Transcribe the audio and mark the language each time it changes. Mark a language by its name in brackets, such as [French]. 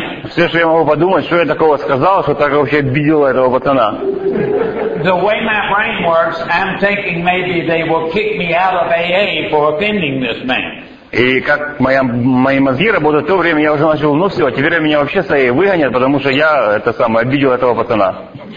[Russian] Все, что я могу подумать, что я такого сказал, что так вообще обидел этого пацана. [English] The way my brain works, I'm thinking maybe they will kick me out of AA for offending this man. [Russian] И как мои мозги работают, в то время я уже начал, ну все, теперь меня вообще с ней выгонят, потому что я, это самое, обидел этого пацана.